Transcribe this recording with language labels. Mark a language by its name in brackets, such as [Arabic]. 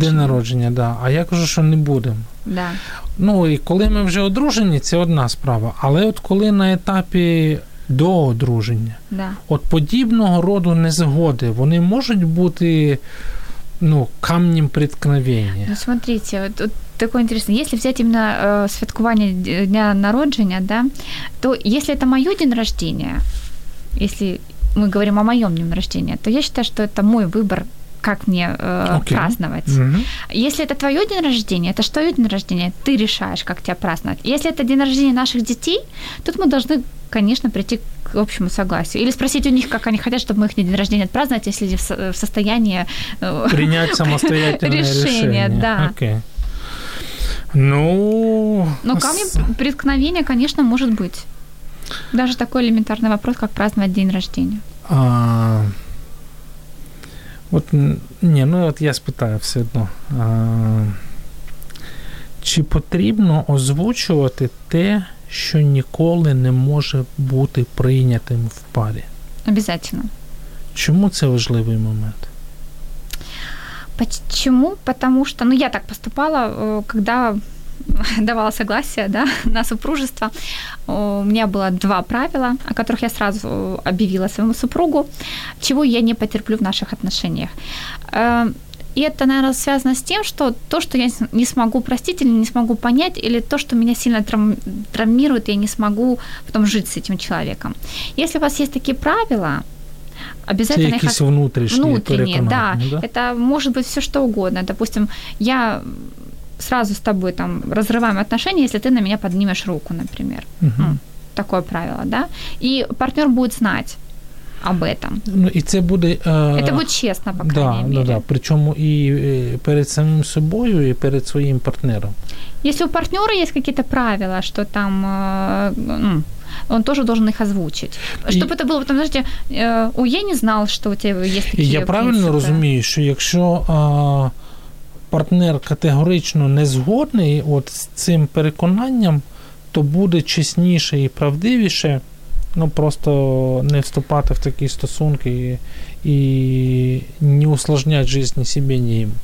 [Ukrainian] День народження, да. А я кажу, що не будемо. Да. Ну, і коли ми вже одружені, це одна справа. Але от коли на етапі до одруження, да, от подібного роду незгоди, вони можуть бути, ну, [Russian] камнем преткновения. Ну, смотрите, вот, вот такое интересное. Если взять именно [Ukrainian] святкование дня народжения, [Russian] да, то если это мое день рождения, если мы говорим о моем дне рождения, то я считаю, что это мой выбор, как мне праздновать. Mm-hmm. Если это твое день рождения, это что, день рождения? Ты решаешь, как тебя праздновать. Если это день рождения наших детей, тут мы должны, конечно, прийти к общему согласию. Или спросить у них, как они хотят, чтобы мы их день рождения отпраздновать, если в состоянии принять самостоятельное решение. Да. Окей. Ну... Но камни преткновения, конечно, может быть. Даже такой элементарный вопрос, как праздновать день рождения. [Ukrainian] Вот, не, ну вот я спитаю все одно. Чи потрібно озвучувати те, що ніколи не може бути прийнятим в парі? [Russian] Обязательно. [Ukrainian] Чому це важливий момент? [Russian] Почему? Потому что, ну, я так поступала, когда давала согласие, да, на супружество. У меня было два правила, о которых я сразу объявила своему супругу, чего я не потерплю в наших отношениях. И это, наверное, связано с тем, что то, что я не смогу простить или не смогу понять, или то, что меня сильно травмирует, я не смогу потом жить с этим человеком. Если у вас есть такие правила, обязательно это какие-то внутренние, да, это может быть все что угодно. Допустим, я сразу с тобой там разрываем отношения, если ты на меня поднимешь руку, например. Угу. Такое правило, да. И партнер будет знать об этом. [Ukrainian] Ну, и це буде, [Russian] это будет честно, по крайней мере. Да, да. Причем и перед самим собой, и перед своим партнером. Если у партнера есть какие-то правила, что там он тоже должен их озвучить. Чтобы это было, потому что я не знал, что у тебя есть такие принципы. [Ukrainian] Я правильно розумію, що якщо партнер категорично не згодний от з цим переконанням, то буде чесніше і правдивіше. Ну, просто не вступати в такі стосунки і не усложнять життя собі, ні.